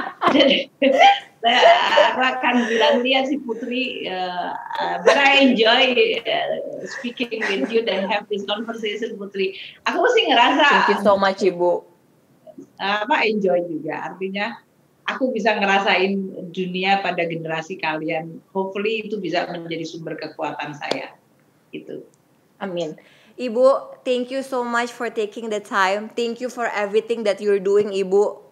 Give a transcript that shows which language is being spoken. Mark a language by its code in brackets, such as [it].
[id] Jadi saya akan bilang dia si Putri, [en] but I enjoy speaking with you and have this conversation Putri. [id] Aku sih ngerasa. [en] Thank you so much Ibu. [id] Apa enjoy juga, artinya aku bisa ngerasain dunia pada generasi kalian. Hopefully itu bisa menjadi sumber kekuatan saya. Itu. Amin. [en] Ibu, thank you so much for taking the time. Thank you for everything that you're doing, Ibu.